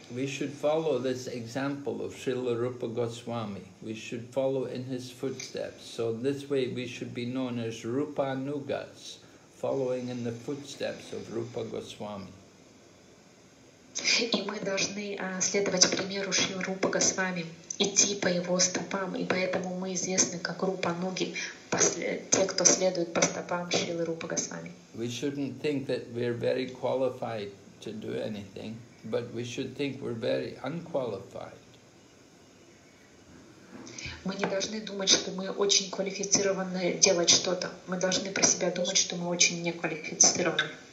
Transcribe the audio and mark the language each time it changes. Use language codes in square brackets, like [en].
[en] We should follow this example of Srila Rupa Goswami. We should follow in his footsteps. So this way we should be known as Rupa Nugas, following in the footsteps of Rupa Goswami. [ru] И мы должны следовать примеру Шрилы Рупа Госвами, идти по его стопам, и поэтому мы известны как Рупа Нуги, те, кто следует по стопам Шрилы Рупа Госвами. [en] We shouldn't think that we're very qualified to do anything, but we should think we're very unqualified. [ru] Мы не должны думать, что мы очень квалифицированы делать что-то. Мы должны про себя думать, что мы очень неквалифицированы.